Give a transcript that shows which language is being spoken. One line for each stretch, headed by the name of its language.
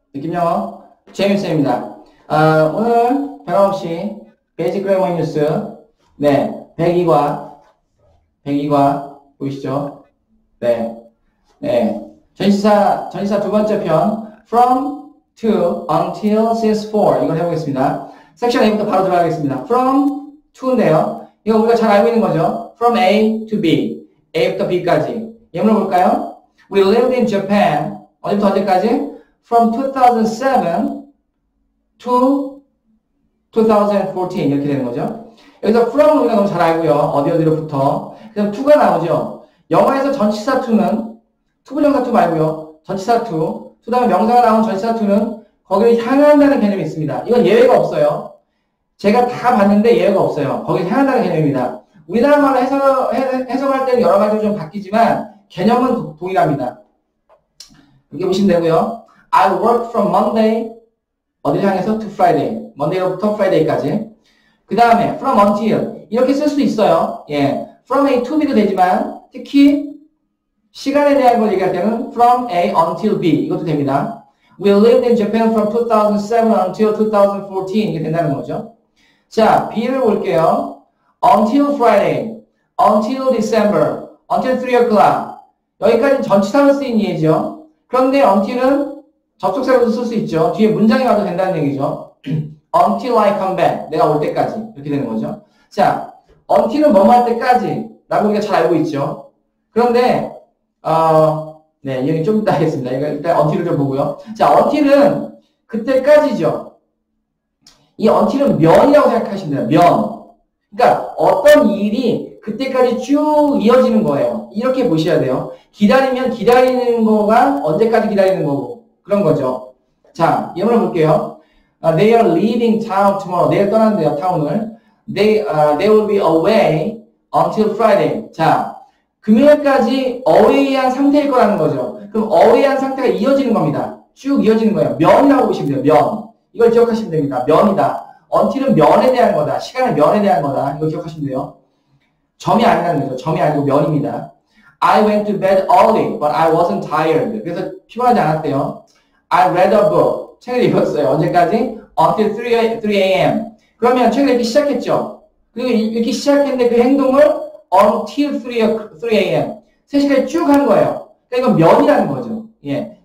Korean: 느낌영어 제임쌤입니다. 오늘 변함없이 베이직 그래머 뉴스 네, 102과 보이시죠? 네, 전시사 두 번째 편 From, To, Until, Since, For 이걸 해보겠습니다. 섹션 A부터 바로 들어가겠습니다. From, To인데요. 이거 우리가 잘 알고 있는 거죠.
English: From A to B,
Korean: A부터 B까지 예문을 볼까요?
English: We lived in Japan
Korean: 언제부터 언제까지?
English: From 2007 to 2014
Korean: 이렇게 되는 거죠. 여기서 from 우리가 너무 잘 알고요. 어디 어디로부터. 그래서 to가 나오죠. 영어에서 전치사 to는 to 부정사 to 말고요. 전치사 to. 그 다음에 명사가 나온 전치사 to는 거기를 향한다는 개념이 있습니다. 이건 예외가 없어요. 제가 다 봤는데 예외가 없어요. 거기 향한다는 개념입니다. 우리나라 말로 해석할 때는 여러 가지로 좀 바뀌지만 개념은 동일합니다. 이렇게 보시면 되고요.
English: I work from Monday
Korean: 어디를 향해서?
English: To Friday.
Korean: Monday로부터 Friday까지. 그 다음에 from until 이렇게 쓸 수도 있어요. 예,
English: from A to B
Korean: 도 되지만 특히 시간에 대한 걸 얘기할 때는
English: from A until B
Korean: 이것도 됩니다.
English: We lived in Japan from 2007 until 2014 이게 된다는 거죠.
Korean: 자, B를 볼게요.
English: Until Friday, until December, until 3 o'clock
Korean: 여기까지는 전치사로 쓰인 예죠. 그런데 until은 접속사로도 쓸수 있죠. 뒤에 문장이 와도 된다는 얘기죠.
English: Until I come back.
Korean: 내가 올 때까지. 이렇게 되는 거죠. 자, until은 뭐뭐 할 때까지라고 우리가 잘 알고 있죠. 그런데 네, 여기 좀 이따 하겠습니다. 일단 until을 좀 보고요. 자, until은 그때까지죠. 이 until은 면이라고 생각하시면 돼요. 면. 그러니까 어떤 일이 그때까지 쭉 이어지는 거예요. 이렇게 보셔야 돼요. 기다리면 기다리는 거가 언제까지 기다리는 거고 그런 거죠. 자, 예문을 볼게요.
English: They are leaving town tomorrow.
Korean: 내일 떠난대요, 타운을.
English: They will be away until Friday.
Korean: 자, 금요일까지 away한 상태일 거라는 거죠. 그럼 away한 상태가 이어지는 겁니다. 쭉 이어지는 거예요. 면이라고 보시면 돼요. 면. 이걸 기억하시면 됩니다. 면이다. Until은 면에 대한 거다. 시간의 면에 대한 거다. 이거 기억하시면 돼요. 점이 아니라는 거죠. 점이 아니고 면입니다.
English: I went to bed early, but I wasn't tired.
Korean: 그래서 피곤하지 않았대요.
English: I read a book.
Korean: 책을 읽었어요. 언제까지?
English: Until 3 a.m.
Korean: 그러면 책을 읽기 시작했죠. 그리고 읽기 시작했는데 그 행동을
English: until 3 a.m.
Korean: 3시간 쭉 하는 거예요. 그러니까 이건 면이라는 거죠. 예.